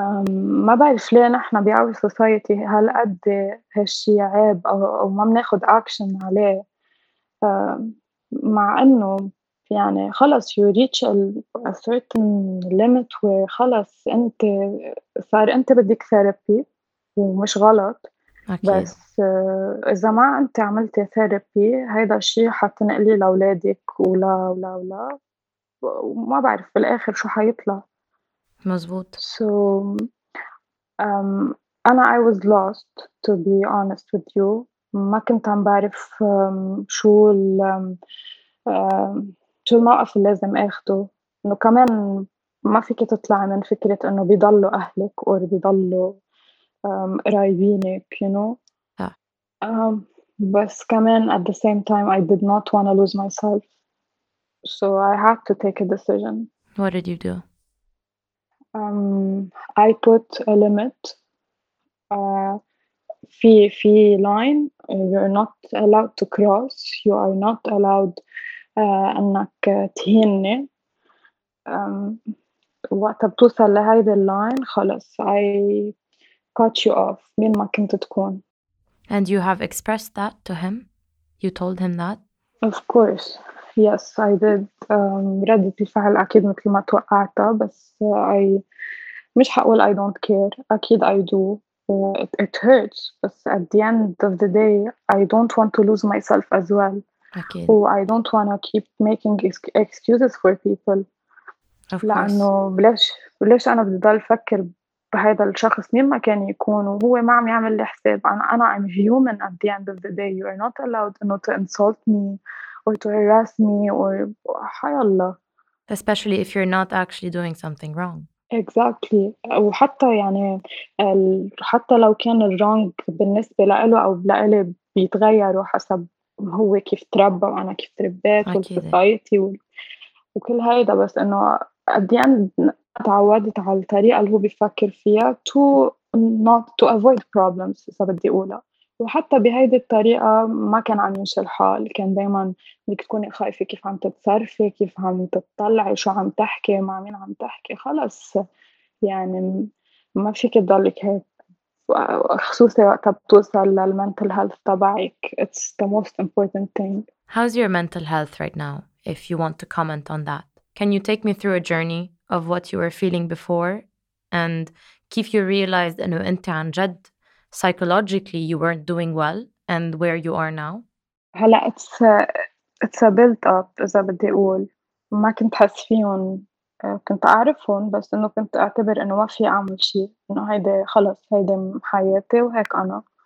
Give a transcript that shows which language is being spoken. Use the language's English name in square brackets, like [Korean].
[Arabic] ما بعرف ليه نحن بعرف society هل قد هالشي عيب أو ما بناخد action عليه، مع أنه يعني خلص [English] you reach a certain limit where [Arabic] خلص أنت صار أنت بدك therapy ومش غلط. أكيد. بس إذا ما أنت عملت therapy هيدا الشيء حتنقلي لأولادك ولا ولا ولا وما بعرف بالآخر شو حيطلع. مزبوط. [English] So أنا I was lost to be honest with you. [Arabic] ما كنت عم بعرف شو الموقف اللي لازم أخده، إنه كمان ما فيك تطلع من فكرة إنه بيضلوا أهلك أو بيضلوا قرايبينك [English] you know. [Arabic] بس كمان [English] at the same time I did not want to lose myself so I had to take a decision. What did you do? I put a limit. في line you're not allowed to cross. You are not allowed [Arabic] أنك تهيني. وقت بتوصل لهيدا line خلص [English] I cut you off [Arabic] مين ما كنت تكون. [English] And you have expressed that to him? You told him that? Of course. Yes, I did. [Arabic] ردة الفعل أكيد مثل ما توقعتها، بس [English] I [Arabic] مش حقول [English] I don't care. [Arabic] أكيد [English] I do. It hurts. بس at the end of the day, I don't want to lose myself as well. [Arabic] أكيد. [English] I don't want to keep making excuses for people. Of course. [Arabic] لأنه بلاش أنا بدي ضل فكر بهذا الشخص مين ما كان يكون وهو ما عم يعمل لي حساب. [English] أنا I'm human at the end of the day. You are not allowed not to insult me or to harass me or [Arabic] حي الله. [English] Especially if you're not actually doing something wrong. Exactly. [Arabic] وحتى يعني حتى لو كان الرونج بالنسبة لإله أو لإله بيتغير حسب هو كيف تربى وأنا كيف تربيت والسوسايتي وكل هيدا، بس إنه [English] at the end [Arabic] تعودت على الطريقة اللي هو بيفكر فيها [English] to avoid problems [Arabic] إذا بدي أقولها. وحتى بهذه الطريقة ما كان عم يمشي الحال، كان دايما بدك تكوني خايفة كيف عم تتصرفي كيف عم تطلعي شو عم تحكي مع مين عم تحكي. خلص يعني ما فيك تضلك هيك، خصوصا وقتها بتوصل للمنتل هيلث تبعك. [English] It's the most important thing. How's your mental health right now if you want to comment on that? Can you take me through a journey of what you were feeling before and [Arabic] كيف [English] you realized [Arabic] انه انت عن جد [English] psychologically you weren't doing well and where you are now? هلا it's a build up [Arabic] إذا بدي أقول. ما كنت حس فيهم، كنت أعرفهم بس إنه كنت أعتبر إنه ما في أعمل شيء، إنه هيدا خلص هيدا حياتي وهيك أنا.